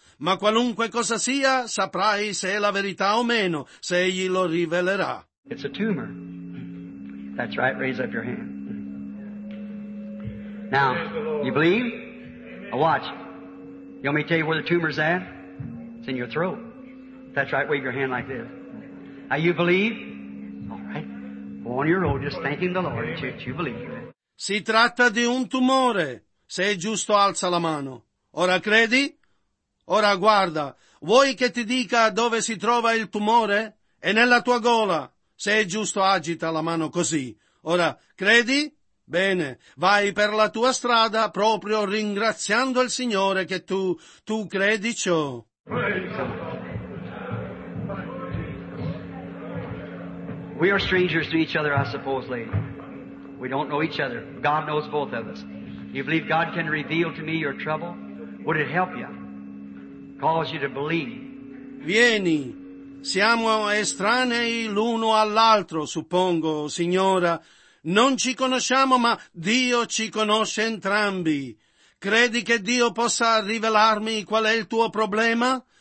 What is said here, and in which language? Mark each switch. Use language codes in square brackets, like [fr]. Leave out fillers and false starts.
[it] Ma qualunque cosa sia, saprai se è la verità o meno, se Egli lo rivelerà. [en] It's a tumor. That's right, raise up your hand. Now, you believe? Now watch. You want me to tell you where the tumor's at? In your throat. That's right. Wave your hand like this. Now you believe? All right. Go on your own, just thanking the Lord that you believe. [it] Si tratta di un tumore. Se è giusto, alza la mano. Ora credi? Ora guarda. Vuoi che ti dica dove si trova il tumore? È nella tua gola. Se è giusto, agita la mano così. Ora credi? Bene, vai per la tua strada proprio ringraziando il Signore che tu credi ciò. [en] We are strangers to each other, I suppose, lady. We don't know each other. God knows both of us. You believe God can reveal to me your trouble? Would it help you? Cause you to believe? [it] Vieni. Siamo estranei l'uno all'altro, suppongo, signora. Non ci conosciamo, ma Dio ci conosce entrambi. Credi che Dio possa rivelarmi qual è il tuo problema?